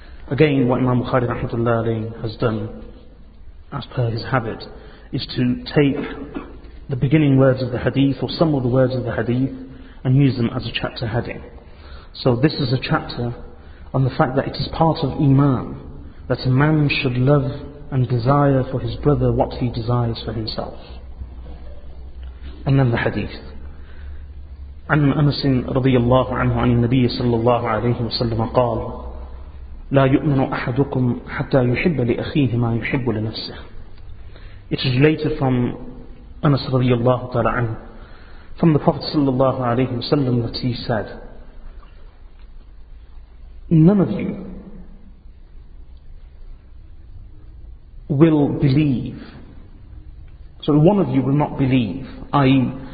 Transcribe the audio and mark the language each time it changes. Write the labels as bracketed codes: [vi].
[en] Again, what Imam Bukhari rahmatullahi alayhi has done, as per his habit, is to take the beginning words of the hadith or some of the words of the hadith and use them as a chapter heading. So this is a chapter on the fact that it is part of Iman that a man should love and desire for his brother what he desires for himself. And then the hadith. [ar] عن أنس رضي الله عنه عن النبي صلى الله عليه وسلم قال لا يؤمن أحدكم حتى يحب لأخيه ما يحب لنفسه. [en] It is related from Anas [ar] رضي الله تعالى عنه, [en] from the Prophet [ar] صلى الله عليه وسلم, [en] that he said, none of you will believe, so one of you will not believe, i.e.